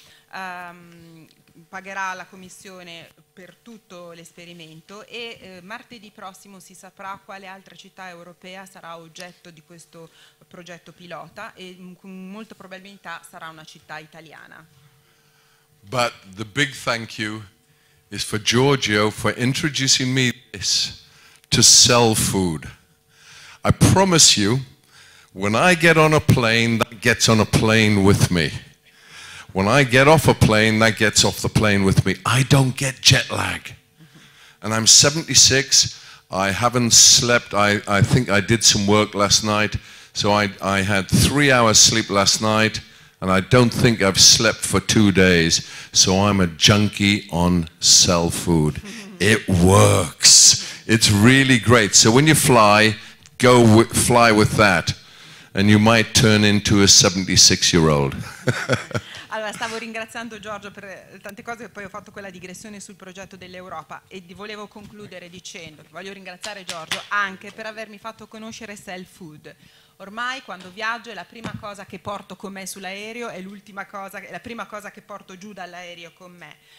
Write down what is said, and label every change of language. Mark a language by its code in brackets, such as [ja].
[it] Pagherà la commissione per tutto l'esperimento e martedì prossimo si saprà quale altra città europea sarà oggetto di questo progetto pilota, e con molta probabilità sarà una città italiana. [en] But the big thank you is for Giorgio for introducing me this to sell food. I promise you, when I get on a plane, that gets on a plane with me. When I get off a plane, that gets off the plane with me. I don't get jet lag. And I'm 76, I haven't slept, I think I did some work last night, so I had 3 hours sleep last night, and I don't think I've slept for 2 days, so I'm a junkie on cell food. It works. It's really great. So when you fly, go fly with that, and you might turn into a 76-year-old. [it] Allora, stavo ringraziando Giorgio per tante cose, poi ho fatto quella digressione sul progetto dell'Europa, e volevo concludere dicendo che voglio ringraziare Giorgio anche per avermi fatto conoscere Cell Food. Ormai quando viaggio è la prima cosa che porto con me sull'aereo, è l'ultima cosa, è la prima cosa che porto giù dall'aereo con me.